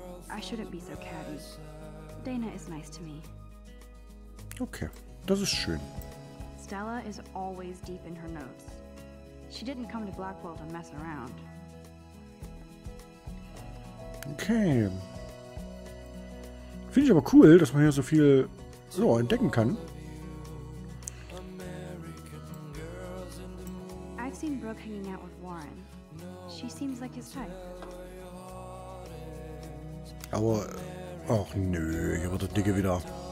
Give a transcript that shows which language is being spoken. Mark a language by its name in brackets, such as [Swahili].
[English] I shouldn't be so catty. Dana is nice to me. [German] Okay, das ist schön. [English] Stella is always deep in her notes. She didn't come to Blackwell to mess around. [German] Okay. Finde ich aber cool, dass man hier so viel so entdecken kann. [English] I've seen Brooke hanging out with Warren. She seems like his type. [German] Aber, ach nö, hier wird der Dicke wieder.